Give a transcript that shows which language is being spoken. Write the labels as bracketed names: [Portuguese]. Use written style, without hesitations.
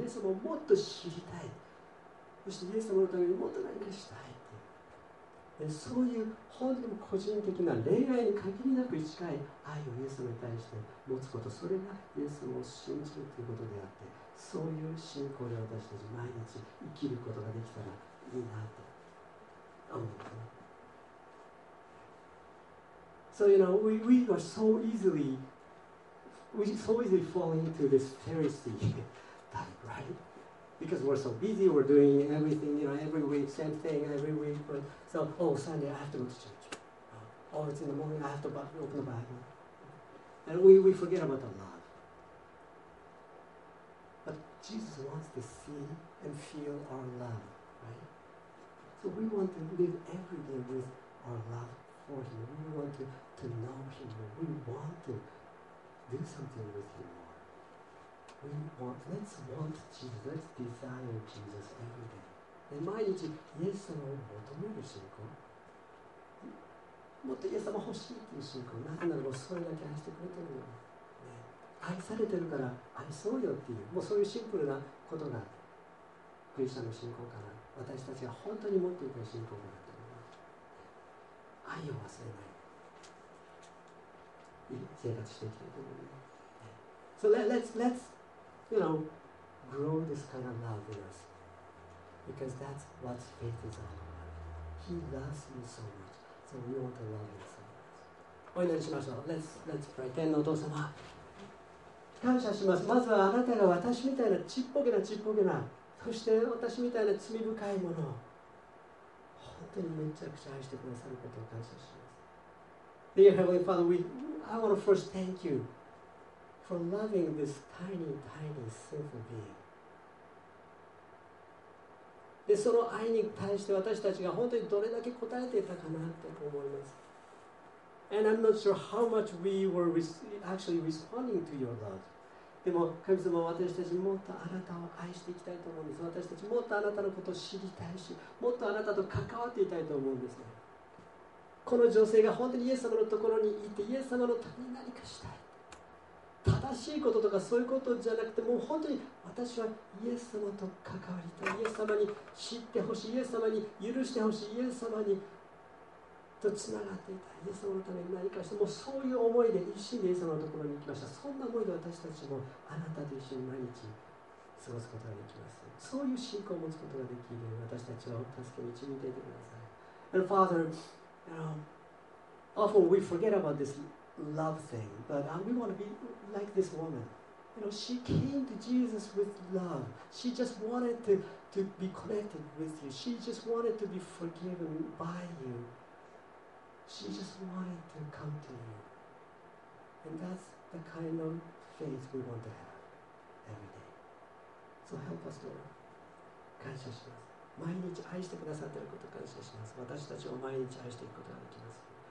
[Japanese] イエス様をもっと知りたい、そしてイエス様のためにもっと何かしたいっていう、でそういう本当に個人的な恋愛に限りなく近い愛をイエス様に対して持つこと、それがイエス様を信じるということであって、そういう信仰で私たち毎日生きることができたらいいなと思うんですね。 [English] So you know, we are so easily fall into this Pharisee type, right? Because we're so busy, we're doing everything, you know, every week, same thing, every week, but so, oh, Sunday, I have to go to church. Oh, it's in the morning, I have to open the Bible. And we forget about the love. But Jesus wants to see and feel our love, right? So we want to live every day with our love for Him. We want to know Him. We want to do something with Him more. We want, let's want Jesus, let's desire Jesus every day. [Japanese] And 毎日イエス様を求める信仰、もっとイエス様欲しいっていう信仰、なぜならもうそれだけ愛してくれてるの、ね、愛されてるから愛そうよっていう、もうそういうシンプルなことがクリスチャンの信仰かな、私たちが本当に持っていく信仰かなと思います。愛を忘れない、いい生活していきたいと思います、ね、 [English] So let's you know grow this kind of love in us because that's what faith is all about. He loves you so much, so we want to love you so much. [Japanese] お祈りしましょう。 [English] let's pray. [Japanese] 天のお父様、感謝します。まずはあなたが私みたいなちっぽけなちっぽけな、そして私みたいな罪深いものを本当にめちゃくちゃ愛してくださることを感謝します。 [English] Dear Heavenly Father, I want to first thank you for loving this tiny, tiny, sinful being. [Japanese] でその愛に対して私たちが本当にどれだけ応えていたかなって思います。 [English] And I'm not sure how much we were actually responding to your love. [Japanese] でも神様は私たちもっとあなたを愛していきたいと思うんです。私たちもっとあなたのことを知りたいし、もっとあなたと関わっていたいと思うんですね。この女性が本当にイエス様のところに行ってイエス様のために何かしたい。正しいこととかそういうことじゃなくて、もう本当に私はイエス様と関わりたい、イエス様に知ってほしい、イエス様に許してほしい、イエス様にとつながっていたい、イエス様のために何かして、もうそういう思いで一心でイエス様のところに行きました。そんな思いで私たちもあなたと一緒に毎日過ごすことができます。そういう信仰を持つことができる私たちは助けを導いていてください。 [English] And Father, often we forget about thisLove thing, but we want to be like this woman. You know, she came to Jesus with love. She just wanted to be connected with you. She just wanted to be forgiven by you. She just wanted to come to you. And that's the kind of faith we want to have every day. So help us, Lord. [Japanese] 感謝します。毎日愛してくださっていること感謝します。私たちを毎日愛していくことができます。